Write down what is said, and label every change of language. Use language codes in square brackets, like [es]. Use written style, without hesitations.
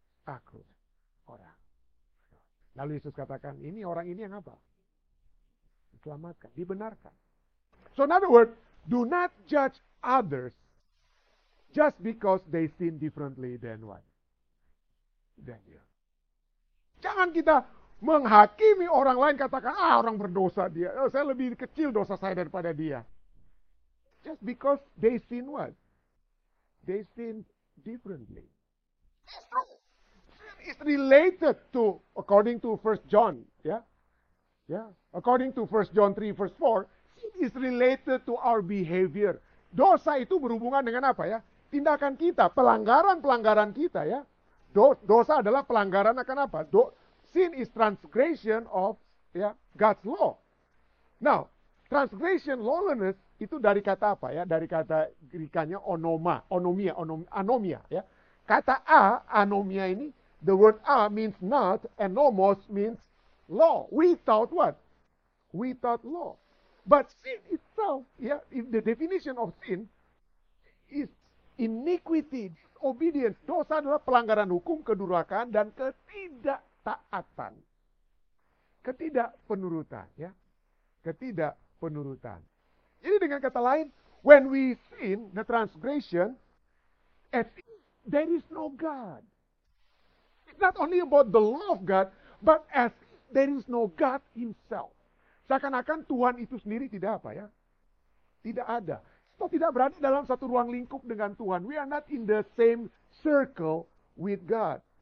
[id] Aku orang. Lalu Yesus katakan, ini orang ini yang apa? Ok. diselamatkan, dibenarkan. [en] So in other words, do not judge others just because they sin differently than what? Than you. [id] Jangan kita menghakimi orang lain, katakan, ah orang berdosa dia, oh, saya lebih kecil dosa saya daripada dia. [en] Just because they sin what? They sin differently. That's true. It's related to, according to 1 John, yeah? Yeah, according to 1 John 3, verse 4, is related to our behavior. [id] Dosa itu berhubungan dengan apa ya? Tindakan kita, pelanggaran-pelanggaran kita ya. Dosa adalah pelanggaran akan apa? [en] Sin is transgression of ya, God's law. [id] Now, transgression, lawlessness itu dari kata apa ya? Dari kata Greek-nya onoma, onomia, anomia ya. Kata A, anomia ini, [en] the word A means not, and nomos means law. Without what? Without law. But sin itself, yeah, if the definition of sin is iniquity, disobedience, [id] dosa adalah pelanggaran hukum, kedurakaan, dan ketidaktaatan. Ketidakpenurutan, ya. Yeah. Ketidakpenurutan. Jadi dengan kata lain, [en] when we sin, the transgression, at sin, there is no God. It's not only about the law of God, but as there is no God himself. [id] Seakan-akan Tuhan itu sendiri tidak apa ya? Tidak ada. Kita tidak berada dalam satu ruang lingkup dengan Tuhan. [en] We are not in the same circle with God.